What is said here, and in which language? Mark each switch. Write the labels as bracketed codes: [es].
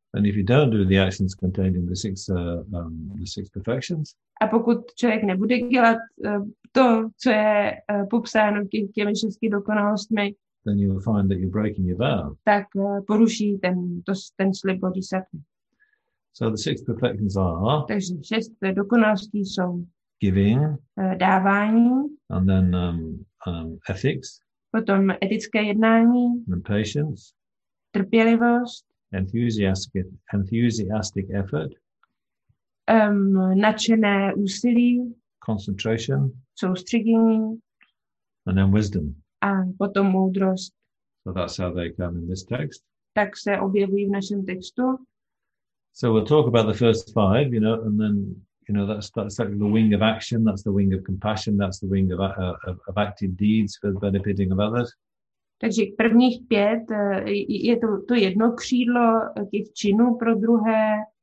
[en] And if you don't do the actions contained in the six perfections? [cs] A pokud člověk nebude dělat to, co je popsáno v těmi šesti dokonalostmi, [en] then you will find that you're breaking your vow. [cs] Tak poruší ten slib bodhisattva. [en] So the six perfections are? [cs] Takže šest dokonalostí jsou [en] giving, [cs] dávání, [en] and then ethics, [cs] potom etické jednání, [en] and patience, [cs] trpělivost, [en] enthusiastic effort, [cs] nadšené úsilí, [en] concentration, [cs] soustředění, [en] and then wisdom. [cs] A potom moudrost. [en] So that's how they come in this text. [cs] Tak se objevují v našem textu. [en] So we'll talk about the first five, you know, and then, you know, that's like the wing of action, that's the wing of compassion, that's the wing of active deeds for the benefiting of others. [cs] Takže prvních pět je to jedno křídlo těch činů pro druhé.